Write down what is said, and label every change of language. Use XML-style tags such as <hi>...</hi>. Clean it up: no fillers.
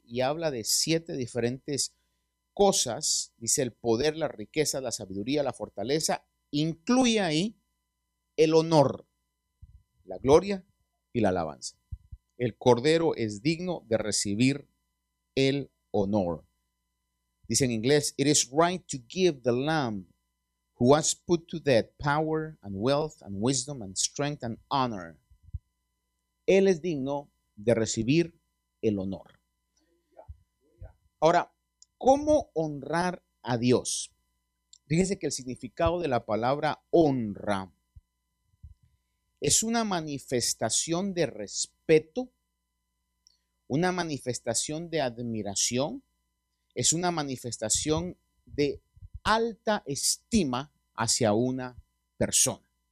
<es>Y habla de siete diferentes cosas, dice: el poder, la riqueza, la sabiduría, la fortaleza, incluye ahí el honor, la gloria y la alabanza. El cordero es digno de recibir el honor. Dice en inglés:</es> <en>it is right to give the lamb who was put to death power and wealth and wisdom and strength and honor.</en> <es>Él es digno de recibir el honor. Ahora, ¿cómo honrar a Dios? Fíjese que el significado de la palabra honra es una manifestación de respeto, una manifestación de admiración, es una manifestación de alta estima hacia una persona.</es>